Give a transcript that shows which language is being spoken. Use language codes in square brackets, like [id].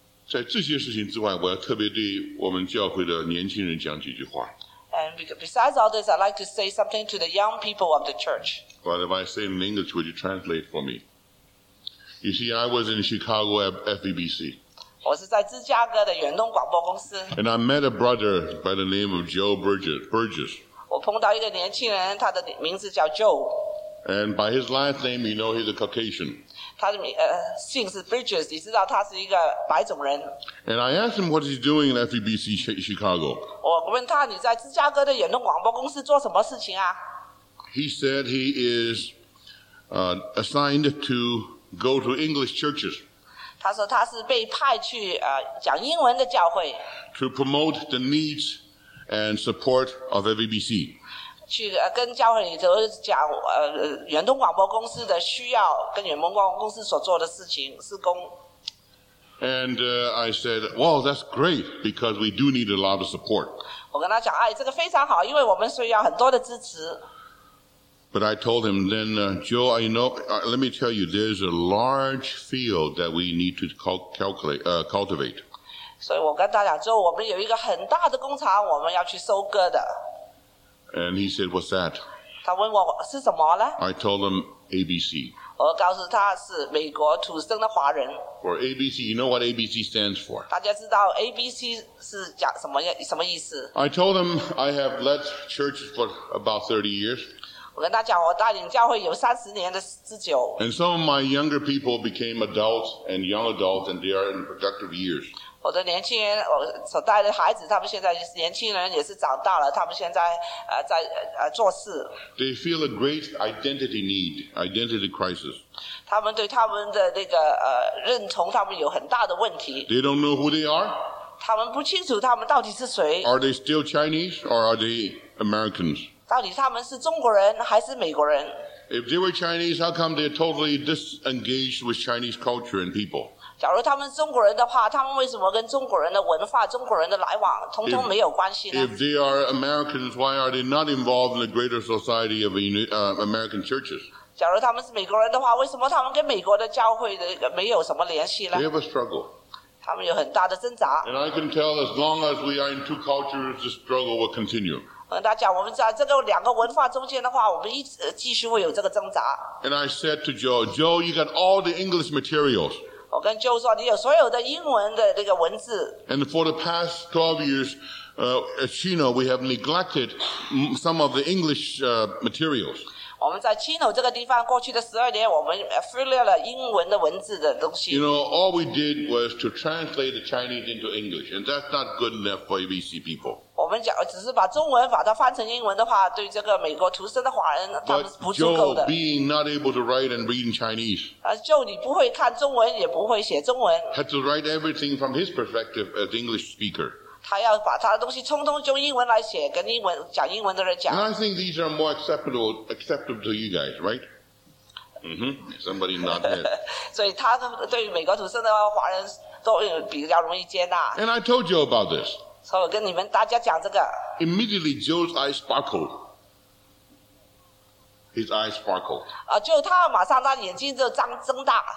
[zh] 在这些事情之外，我要特别对我们教会的年轻人讲几句话。 [en] And besides all this, I'd like to say something to the young people of the church. Well, if I say in English, would you translate for me? You see, I was in Chicago at FEBC. [zh] 我是在芝加哥的远东广播公司。 [en] And I met a brother by the name of Joe Burgess. [zh] 我碰到一个年轻人，他的名字叫 Joe. [en] And by his last name, you know he's a Caucasian. [zh] 他的姓是 Burgess, 你知道他是一个白种人。 [en] And I asked him what he's doing in FEBC Chicago. [zh] 问他你在芝加哥的远东广播公司做什么事情啊 [en] ？He said he is assigned to go to English churches. [zh] 他说他是被派去讲英文的教会。 [en] To promote the needs and support of FEBC. [zh] 去跟教会里头讲远东广播公司的需要，跟远东广播公司所做的事情事工。 [en] And I said, well, that's great, because we do need a lot of support. [zh] 我跟他讲，哎，这个非常好，因为我们需要很多的支持。 [en] But I told him, then, Joe, I know, let me tell you, there's a large field that we need to cultivate. [zh] 所以我跟他讲，Joe，我们有一个很大的工厂，我们要去收割的。 [en] And he said, what's that? [zh] 他问我是什么呢？ [en] I told him, ABC. [zh] 我告诉他是美国土生的华人。 [en] For ABC, you know what ABC stands for? [zh] 大家知道 ABC 是讲什么意思 [en] ？I told him I have led church for about 30 years. [zh] 我跟他讲，我带领教会有30年的之久。 [en] And some of my younger people became adults and young adults, and they are in productive years. [zh] 我的年轻人，我所带的孩子，他们现在年轻人也是长大了，他们现在在做事。 [en] They feel a great identity need, identity crisis. [zh] 他们对他们的那个认同，他们有很大的问题。 [en] They don't know who they are. [zh] 他们不清楚他们到底是谁。 [en] Are they still Chinese or are they Americans? [zh] 到底他们是中国人还是美国人 [en] ？If they were Chinese, how come they're totally disengaged with Chinese culture and people? [zh] 假如他们中国人的话，他们为什么跟中国人的文化、中国人的来往，通通没有关系呢 [en] ？If they are Americans, why are they not involved in the greater society of American churches? [zh] 假如他们是美国人的话，为什么他们跟美国的教会的没有什么联系呢 [en] ？They have a struggle. [zh] 他们有很大的挣扎。 [en] And I can tell, as long as we are in two cultures, the struggle will continue. [zh] 跟他讲，我们在这个两个文化中间的话，我们一直继续会有这个挣扎。 [en] And I said to Joe, Joe, you got all the English materials. [zh] 我跟 Joe 说，你有所有的英文的那个文字。 [en] And for the past 12 years, as Chino, we have neglected some of the English materials. [zh] 我们在 Chino 这个地方过去的十二年，我们忽略了英文的文字的东西。 [en] You know, all we did was to translate the Chinese into English, and that's not good enough for ABC people. [zh] 我们只是把中文把它翻成英文的话，对这个美国土生的华人，他们是不足够的。 [en] But Joe, being not able to write and read in Chinese, [zh] Joe, 你不会看中文，也不会写中文。 [en] Had to write everything from his perspective as English speaker. [zh] 他要把他的东西通通用英文来写，跟英文讲英文的人讲。 [en] And I think these are more acceptable to you guys, right? Mm-hmm. Somebody nodded. [zh] 所以他对美国土生的华人都比较容易接纳。 [en] And I told you about this. [zh] 所以我跟你们大家讲这个。 [en] Immediately, Joe's eyes sparkled. His eyes sparkled. [zh] 啊，就他马上他眼睛就睁大。